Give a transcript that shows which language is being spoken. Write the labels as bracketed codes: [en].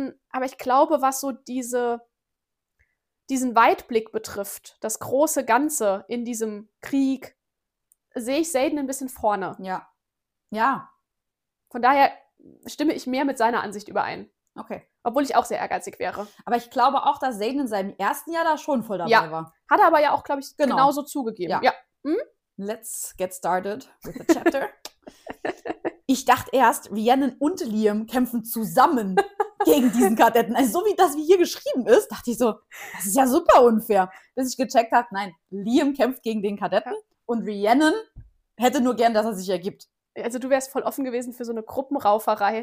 [de] Aber ich glaube, was so diesen Weitblick betrifft, das große Ganze in diesem Krieg, sehe ich Zayden ein bisschen vorne. Ja. Ja. Von daher stimme ich mehr mit seiner Ansicht überein. Okay. Obwohl ich auch sehr ehrgeizig wäre. Aber ich glaube auch, dass Zayden in seinem ersten Jahr da schon voll dabei war. Hat er aber ja auch, glaube ich, genauso zugegeben. Ja. Hm? [en] Let's get started with the chapter. [de] Ich dachte erst, Rhiannon und Liam kämpfen zusammen gegen diesen Kadetten. Also so wie das wie hier geschrieben ist, dachte ich so, das ist ja super unfair. Bis ich gecheckt habe, nein, Liam kämpft gegen den Kadetten. Und Rhiannon hätte nur gern, dass er sich ergibt. Also du wärst voll offen gewesen für so eine Gruppenrauferei.